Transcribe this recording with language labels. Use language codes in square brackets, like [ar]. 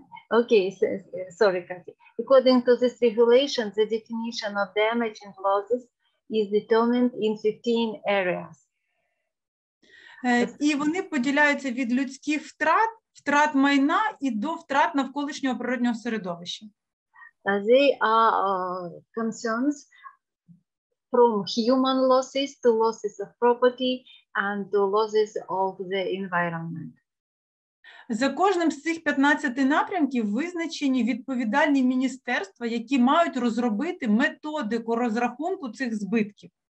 [en] According to this regulation, the definition of damage and losses is determined in 15 areas. [uk] І вони поділяються від людських втрат, втрат майна і до втрат навколишнього природного середовища. [en] They are concerns from human losses to losses of property and to losses of the environment. [uk] За кожним з цих 15 напрямків визначені відповідальні міністерства, які мають розробити методику розрахунку цих збитків.